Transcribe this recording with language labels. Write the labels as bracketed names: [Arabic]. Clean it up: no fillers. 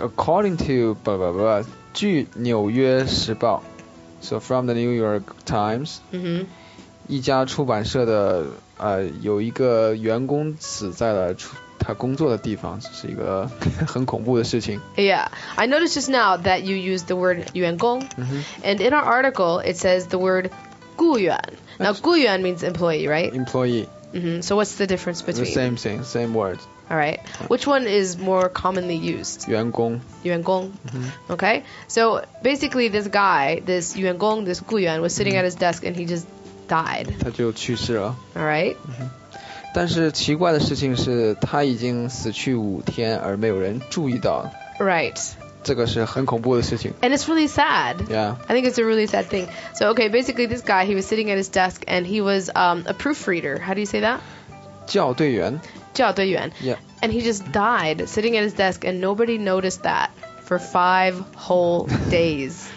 [English] According to blah blah blah. [Chinese] 据纽约时报 [English] So from the New York Times、 mm-hmm. [Chinese] 一家出版社的有一个员工死在了他工作的地方这是一个很恐怖的事情 [English] Yeah, I noticed just now that you used the word 员工、 mm-hmm. And in our article, it says the word 雇员 Now 雇员 means employee, right? Employee、 mm-hmm. So what's the difference between? The same thing, same word All right. Which one is more commonly used? [Chinese] 员工。员工。Okay. [English] So basically this guy, this 员工, this 雇员 was sitting、mm-hmm. at his desk and he just died. [Chinese] 他就去世了。 [English] All right.、 Mm-hmm. [Chinese] 但是奇怪的事情是他已经死去五天而没有人注意到。 [English] Right. [Chinese] 这个是很恐怖的事情。 [English] And it's really sad. Yeah. I think it's a really sad thing. So okay, basically this guy, he was sitting at his desk and he was、a proofreader. How do you say that? [Chinese] 校对员。校对员 [English] Yeah. And he just died sitting at his desk and nobody noticed that for 5 whole days.